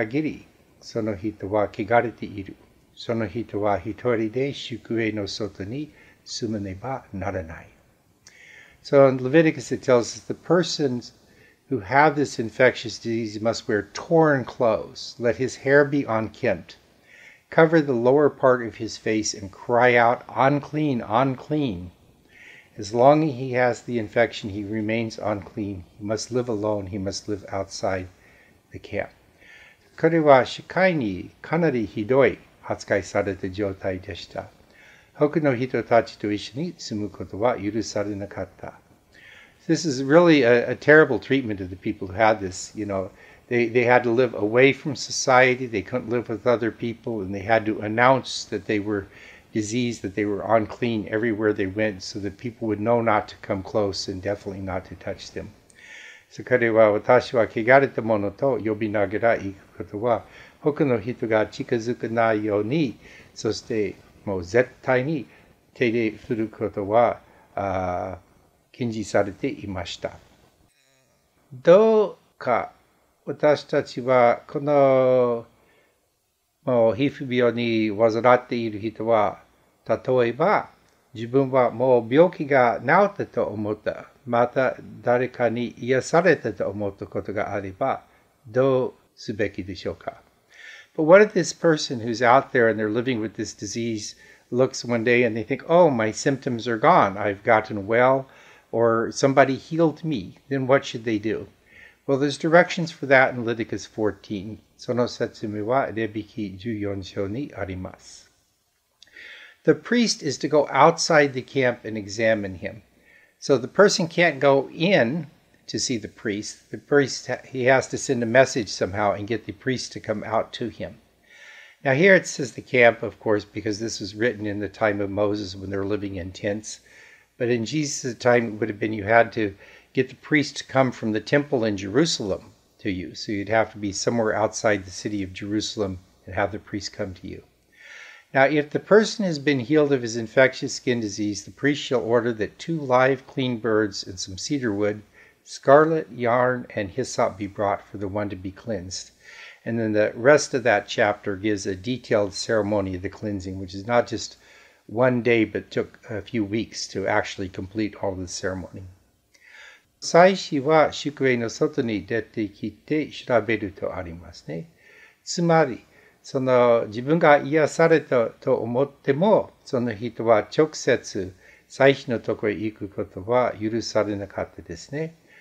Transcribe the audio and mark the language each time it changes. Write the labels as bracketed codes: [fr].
[ja] 45節を見たら、この人に対しての扱いが記録されています。説明されていました。重い皮膚病にかかっている患者は、衣服を裂き、髪をほどき、口ひげを覆い、私は汚れたものです。汚れたものですと呼ばわれねばならない。この症状がある限り、その人は汚れている。その人は一人で宿営の外に住まねばならない。 [en] So in Leviticus, it tells us the persons who have this infectious disease must wear torn clothes. Let his hair be unkempt. Cover the lower part of his face and cry out, unclean, unclean. As long as he has the infection, he remains unclean. He must live alone. He must live outside the camp. [ja] これは社会にかなりひどい扱いされた状態でした。他の人たちと一緒に住むことは許されなかった。 [en] This is really a terrible treatment of the people who had this. You know, they had to live away from society, they couldn't live with other people, and they had to announce that they were diseased, that they were unclean everywhere they went, so that people would know not to come close and definitely not to touch them. [ja] そこでは私は汚れた者と呼びながら行くことは他の人が近づかないようにそしてもう絶対に手で触ることは禁じされていました。どうか私たちはこのもう皮膚病に患っている人は例えば自分はもう病気が治ったと思ったまた誰かに癒されたと思ったことがあればどうすべきでしょうか。 [en] But what if this person who's out there and they're living with this disease looks one day and they think, oh, my symptoms are gone, I've gotten well, or somebody healed me, then what should they do? Well, there's directions for that in Leviticus 14. [ja] その説明はレビキ14章にあります。 [en] The priest is to go outside the camp and examine him. So the person can't go in to see the priest. The priest, he has to send a message somehow and get the priest to come out to him. Now here it says the camp, of course, because this was written in the time of Moses when they're living in tents. But in Jesus' time, it would have been you had to get the priest to come from the temple in Jerusalem to you. So you'd have to be somewhere outside the city of Jerusalem and have the priest come to you. Now, if the person has been healed of his infectious skin disease, the priest shall order that two live clean birds and some cedar wood, scarlet, yarn, and hyssop be brought for the one to be cleansed. And then the rest of that chapter gives a detailed ceremony of the cleansing, which is not just one day, but took a few weeks to actually complete all the ceremony. [ja] 祭司は宿営の外に出てきて調べるとありますね。つまり、その自分が癒されたと思っても、その人は直接祭司のところへ行くことは許されなかったですね。